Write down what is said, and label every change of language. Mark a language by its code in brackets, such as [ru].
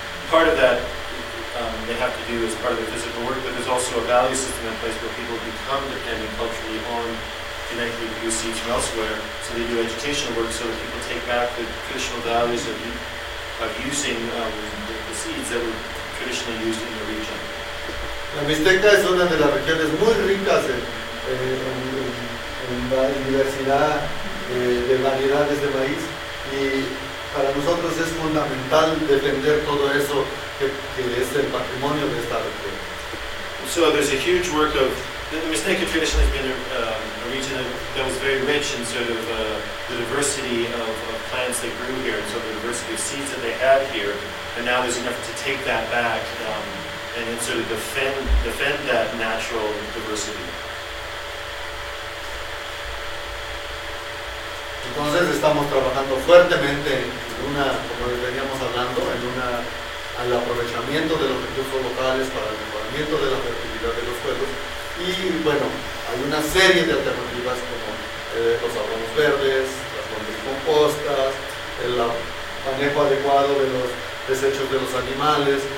[en] Part of that they have to do as part of their physical work, but there's also a value system in place where people become dependent culturally on genetically produced seeds from elsewhere. So they do educational work so that people take back the traditional values of using the seeds that were traditionally used in the region. [es] La Mixteca es una de las regiones muy ricas en la diversidad de variedades de maíz y para nosotros es fundamental defender todo eso que es el patrimonio de esta región. [en] So there's a huge work of the Mixteca traditionally has been a region that was very rich in sort of the diversity of plants that grew here and so the diversity of seeds that they had here, and now there's an effort to take that back and then sort of defend that natural diversity. [es] Entonces estamos trabajando fuertemente en una, como veníamos hablando, al aprovechamiento de los recursos locales para el mejoramiento de la fertilidad de los suelos. Y bueno, hay una serie de alternativas como los abonos verdes, las fuentes compostas, el manejo adecuado de los desechos de los animales.